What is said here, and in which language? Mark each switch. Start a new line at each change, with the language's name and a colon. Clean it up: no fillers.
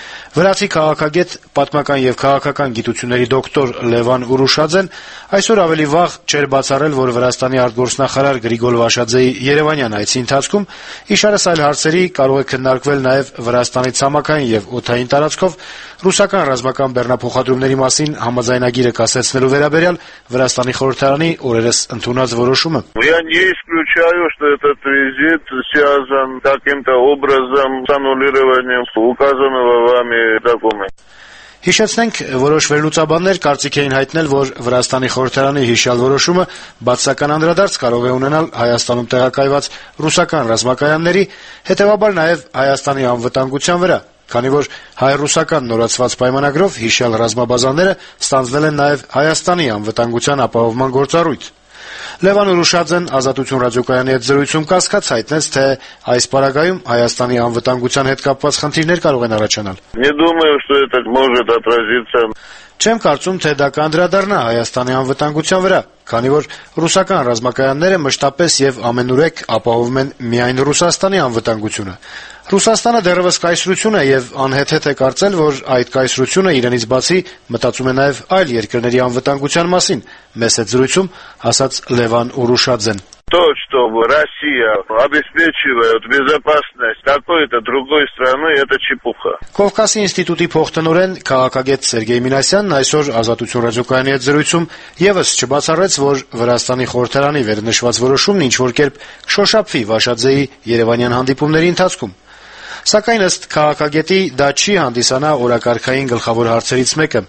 Armenian: Վրացի քաղաքագետ, պատմական և քաղաքական գիտությունների դոկտոր Լևան Ուրուշաձեն այսօր ավելի վաղ չէր բացառել, որ Վրաստանի արտգործնախարար Գրիգոլ Վաշաձեի Երևանյան այցի ընթացքում իշարս այլ հարցերի կարող է քննարկվել նաև Վրաստանի ցամաքային և օթային տարածքով ռուսական ռազմական բեռնափոխադրումների մասին համաձայնագիրը կասեցնելու վերաբերյալ Վրաստանի խորհրդարանի օրերս ընդունած որոշումը։
Russian: Исключаю, что этот визит связан каким-то образом с аннулированием указанного вами документа.
Armenian: Հիշեցնենք, որոշ վերլուծաբաններ կարծիք էին հայտնել, որ Վրաստանի խորհրդարանի հիշյալ որոշումը բացական անդրադարձ կարող է ունենալ Հայաստանում տեղակայված ռուսական ռազմակայանների, հետևաբար նաև Հայաստանի անվտանգության վրա, քանի որ հայ-ռուսական նորացված պայմանագրով հիշյալ ռազմաբազանները ստանձվել են նաև Հայաստանի անվտանգության ապահովման գործառույթ։ Լևան Ուրուշաձեն Ազատություն ռադիոկայանի հետ զրույցում կասկած հայտնեց, թե այս պարագայում Հայաստանի անվտանգության հետ կապված խնդիրներ կարող են առաջանալ։ Չեմ կարծում, թե դա կանդրադառնա Հայաստանի անվտանգության վրա, քանի որ ռուսական ռազմակայանները մշտապես և ամենուրեք ապահովում են միայն Ռուսաստանի անվտանգությունը։ Ռուսաստանը դեռևս կայսրություն է և անհեթեթ է կարծել, որ այդ կայսրությունը իրենից բացի մտածում է նաև այլ երկրների անվտանգության մասին, մեզ հետ զրույցում ասաց Լևան Ուրուշաձեն.
Russian: То, что Россия обеспечивает безопасность какой-то другой страны, это чепуха.
Armenian: Կովկասի ինստիտուտի փոխտնօրեն քաղաքագետ Սերգեյ Մինասյանն այսօր Ազատություն ռադիոկայանի հետ զրույցում եւս չբացառեց, որ Վրաստանի խորհրդարանի վերնշված որոշումն ինչ որ կերպ կշոշափվի Վաշաձեի Երևանյան հանդիպումների ընթացքում։ Սակայն ըստ քաղաքագետի դա չի հանդիսանա օրակարգային գլխավոր հարցերից մեկը։